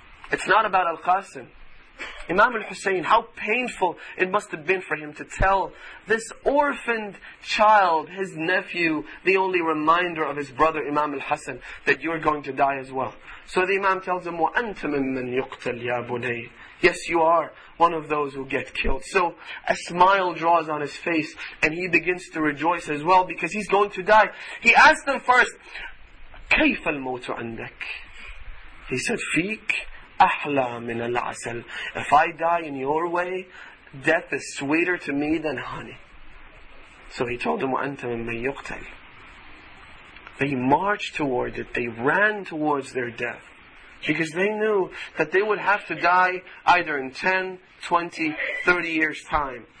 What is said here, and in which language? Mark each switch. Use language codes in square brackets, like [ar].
[en] It's not about al-Qasim. Imam al-Hussein, how painful it must have been for him to tell this orphaned child, his nephew, the only reminder of his brother Imam al-Hassan, that you're going to die as well. So the Imam tells him, [ar] وَأَنْتَ مِمَّنْ يُقْتَلْ يَا بُنَيْهِ. [en] Yes, you are one of those who get killed. So a smile draws on his face and he begins to rejoice as well because he's going to die. He asked them first, [ar] كَيْفَ الْمَوْتُ عَنْدَكَ. [en] He said, [ar] فِيك أَحْلَى مِنَ الْعَسَلِ. [en] If I die in your way, death is sweeter to me than honey. So he told him, [ar] وَأَنْتَ مِمَّنْ يُقْتَلْ. [en] They marched toward it. They ran towards their death. Because they knew that they would have to die either in 10, 20, 30 years' time.